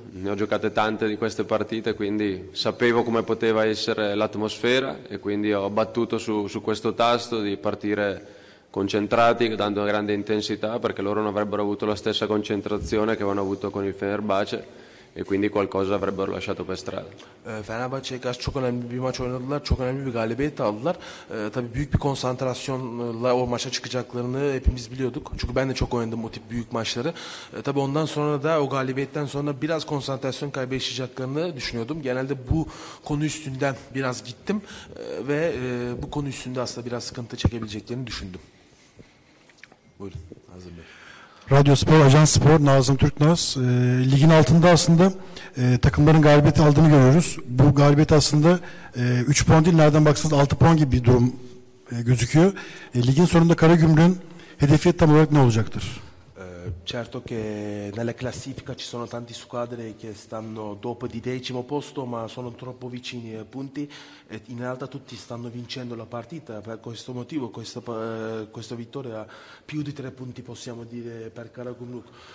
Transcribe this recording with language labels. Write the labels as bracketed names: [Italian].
[Italian] Ne ho giocate tante di queste partite, quindi sapevo come poteva essere l'atmosfera e quindi ho battuto su questo tasto di partire concentrati, dando una grande intensità, perché loro non avrebbero avuto la stessa concentrazione che avevano avuto con il Fenerbahce e quindi qualcosa avrebbero lasciato per strada. [Turkish] Fenerbahçe'ye karşı çok önemli bir maç oynadılar, çok önemli bir galibiyet aldılar. Tabii büyük bir konsantrasyonla o maça çıkacaklarını hepimiz biliyorduk. Çünkü ben de çok oynadım o tip büyük maçları. Tabii ondan sonra da o galibiyetten sonra biraz konsantrasyon kaybedeceklerini düşünüyordum. Genelde bu konu üstünden biraz gittim ve bu konu üstünde aslında biraz sıkıntı çekebileceklerini düşündüm. Buyurun Nazım Bey. Radyo Spor, Ajans Spor, Nazım Türk Naz. Ligin altında aslında takımların galibiyet aldığını görüyoruz. Bu galibiyet aslında 3 puan değil, nereden baksanız 6 puan gibi bir durum gözüküyor. Ligin sonunda Karagümrük'ün hedefi tam olarak ne olacaktır? [Italian] Certo che nella classifica ci sono tante squadre che stanno dopo di decimo posto, ma sono troppo vicini ai punti. In realtà tutti stanno vincendo la partita, per questo motivo questa vittoria ha più di 3 punti, possiamo dire, per Karagümrük.